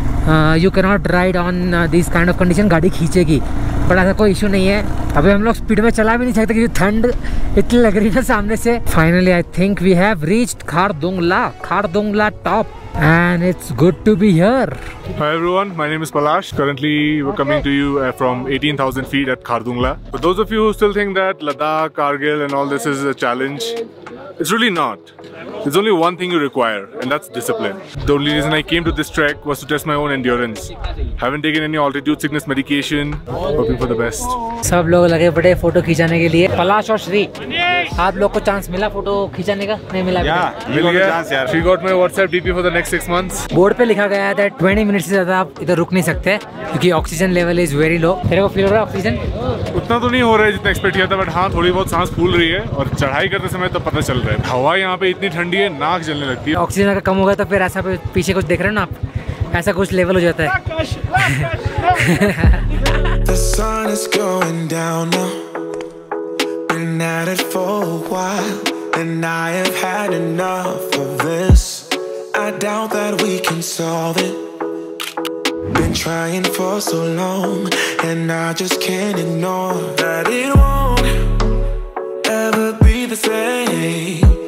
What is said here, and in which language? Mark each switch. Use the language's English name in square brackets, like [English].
[English] you can not ride on this kind of condition, [Hindi] गाड़ी खींचेगी, but ऐसा कोई issue नहीं है। अभी हम लोग स्पीड में चला भी नहीं सकते क्योंकि ठंड इतनी लग रही है सामने से। [English] Finally I think we have reached Khardungla, Khardungla top, and it's good to be here. Hi everyone, my name is Palash. Currently we're okay. coming to you from 18,000 feet at Khardungla. For those of you who still think that Ladakh, Kargil and all this is a challenge, it's really not. There's only one thing you require, and that's discipline. The only reason I came to this trek was to test my own endurance. Haven't taken any altitude sickness medication. Hoping for the best. [Hindi] सब लोग लगे बड़े photo खींचने के लिए। पलाश और श्री, आप लोग को चांस मिला फोटो खींचने का? नहीं मिला? [English] Yeah, [Hindi] मिल गया चांस यार। [English] She got my WhatsApp DP for the next 6 months. [Hindi] Board पे लिखा गया है [English] that [Hindi] 20 मिनट से ज्यादा आप इधर रुक नहीं सकते क्योंकि oxygen level [English] Is very low. [Hindi] तेरे को फील हो रहा है ऑक्सीजन? उतना तो नहीं हो रहा है जितना एक्सपेक्ट किया था, बट हाँ थोड़ी बहुत सांस फूल रही है और चढ़ाई करते समय तो पता चल रहा है। हवा यहाँ पे इतनी ठंडी है, नाक जलने लगती है। ऑक्सीजन अगर कम होगा तो फिर ऐसा पीछे कुछ देख रहे हो ना आप, ऐसा कुछ लेवल हो जाता है। [English] The sun is going down now. Been at it for a while, and I have had enough of this. I doubt that we can solve it. Been trying for so long, and I just can't ignore that it won't ever be the same.